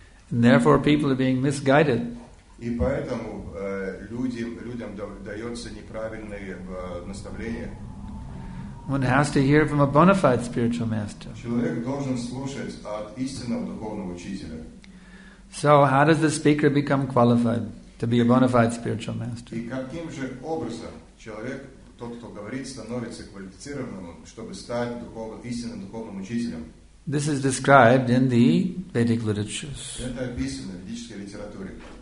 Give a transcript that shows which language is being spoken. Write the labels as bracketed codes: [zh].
[en] And therefore people are being misguided. [ru] И поэтому людям дается неправильное наставление. [en] One has to hear from a bona fide spiritual master. [ru] Человек должен слушать от истинного духовного учителя. [en] So how does the speaker become qualified to be a bona fide spiritual master? [ru] И каким же образом человек Тот, кто говорит, становится квалифицированным, чтобы стать истинным духовным учителем. [en] This is described in the Vedic literatures. [ru] Это описано в ведической литературе.